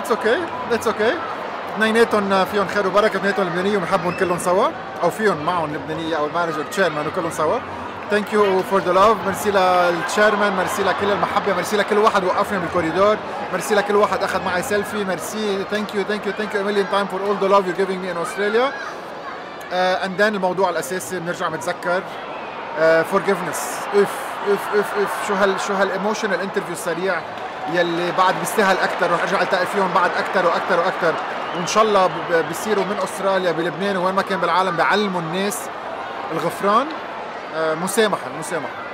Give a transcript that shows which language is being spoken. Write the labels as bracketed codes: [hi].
[en] It's okay It's okay [ar] اثنيناتهم فيهم خير وبركة اثنيناتهم لبنانية ومحبهم كلهم سوا أو فيهم معهم لبنانية أو المانجر تشيرمان وكلهم سوا. [en] Thank you for the love. [ar] مرسي للتشيرمان مرسي لكل المحبة مرسي لكل واحد وقفنا بالكوريدور مرسي لكل واحد أخذ معي سيلفي مرسي. [en] Thank you thank you thank you a million time for all the love you're giving me in Australia. And then [ar] الموضوع الأساسي بنرجع متذكر forgiveness. اوف اوف اوف اوف شو هال [en] emotional interview [ar] السريع يلي بعد بيستاهل أكتر ورح أرجع ألتقي فيهم بعد أكتر وأكتر وأكتر وإن شاء الله بيصيروا من أستراليا بلبنان وين ما كان بالعالم بيعلموا الناس الغفران مسامحة مسامحة.